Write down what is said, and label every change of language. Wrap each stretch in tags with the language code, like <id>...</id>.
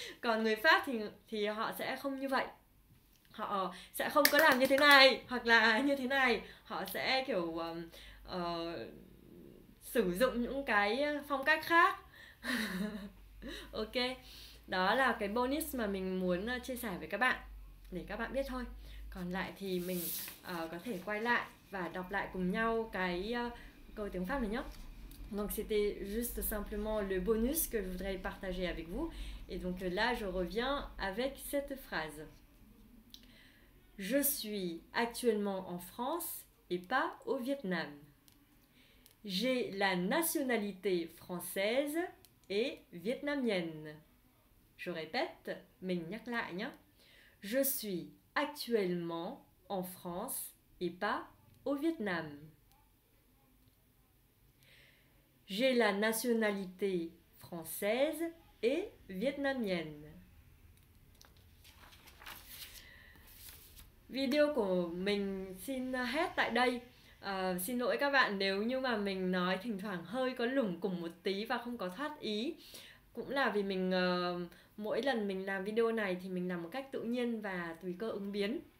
<vi>Còn người Pháp thì họ sẽ không như vậy. Họ sẽ không có làm như thế này hoặc là như thế này, họ sẽ kiểu sử dụng những cái phong cách khác. Ok, đó là cái bonus mà mình muốn chia sẻ với các bạn để các bạn biết thôi. Còn lại thì mình có thể quay lại và đọc lại cùng nhau cái câu tiếng Pháp này nhé.</vi> <fr>Donc c'était juste simplement le bonus que je voudrais partager avec vous. Et donc là, je reviens avec cette phrase. Je suis actuellement en France et pas au Vietnam. J'ai la nationalité française et vietnamienne. Je répète,</fr> <vi>mình nhắc lại nhé.</vi> <fr>Je suis actuellement en France et pas au Vietnam. J'ai la nationalité française et vietnamienne.</fr> <vi>Video của mình xin hết tại đây. Xin lỗi các bạn nếu như mà mình nói thỉnh thoảng hơi có lủng củng một tí và không có thoát ý. Cũng là vì mình mỗi lần mình làm video này thì mình làm một cách tự nhiên và tùy cơ ứng biến.</vi>